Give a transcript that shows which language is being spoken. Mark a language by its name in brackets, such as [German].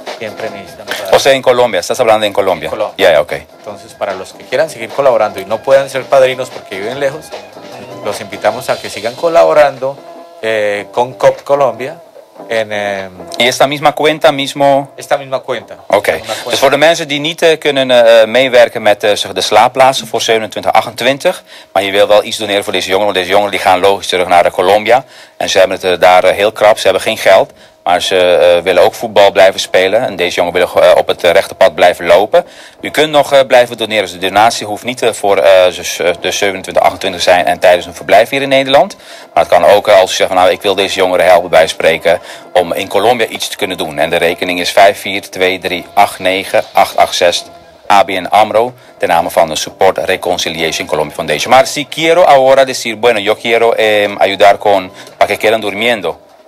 [Spanish] Siempre necesitan. O sea, en Colombia, estás hablando en Colombia. Ya, yeah, ok. Entonces, para los que quieran seguir colaborando y no puedan ser padrinos porque viven lejos, los invitamos a que sigan colaborando con COP Colombia. Y esta misma cuenta mismo. Esta misma cuenta. Ok. [Dutch] Dus voor de mensen die niet kunnen meewerken met de slaapplaatsen voor 27-28, maar je wil wel iets doneren voor deze jongeren, want deze jongeren die gaan logisch terug naar Colombia. En ze hebben het daar heel krap, ze hebben geen geld. Maar ze willen ook voetbal blijven spelen. En deze jongen willen op het rechte pad blijven lopen. U kunt nog blijven doneren. Dus de donatie hoeft niet voor de 27-28 zijn en tijdens een verblijf hier in Nederland. Maar het kan ook als u zegt, van, nou, ik wil deze jongeren helpen bij spreken om in Colombia iets te kunnen doen. En de rekening is 54-23-89-886 ABN AMRO. Ten name van de Support Reconciliation Colombia Foundation. Maar [Spanish] si quiero ahora decir, bueno, yo quiero ayudar con para que quedan durmiendo.